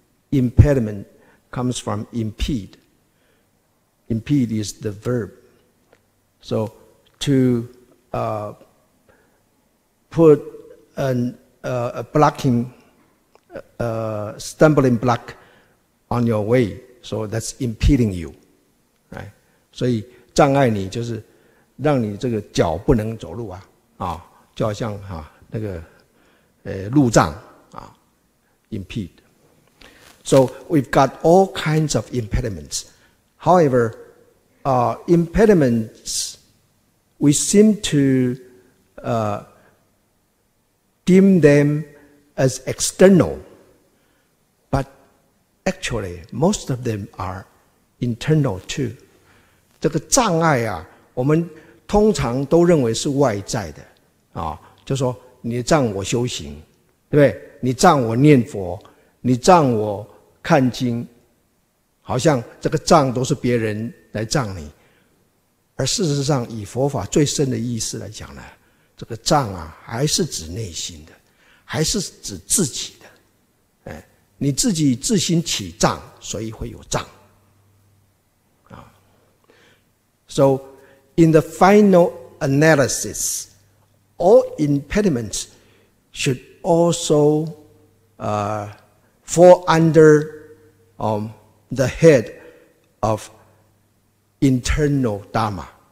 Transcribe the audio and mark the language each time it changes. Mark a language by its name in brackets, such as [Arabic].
[English] Impediment comes from impede. Impede is the verb. So. To put a stumbling block on your way, so that's impeding you, right? [Chinese] 所以障碍你就是让你这个脚不能走路啊，啊，就好像啊那个路障啊 ，impede. [English] So we've got all kinds of impediments. However, impediments. We seem to deem them as external, but actually, most of them are internal too. [Chinese] 这个障碍啊，我们通常都认为是外在的啊，就说你障我修行，对不对？你障我念佛，你障我看经，好像这个障都是别人来障你。而事实上以佛法最深的意思来讲呢，这个障啊还是指内心的，还是指自己的，你自己自心起障，所以会有障。 [English] So in the final analysis, all impediments should also fall under the head of internal Dharma.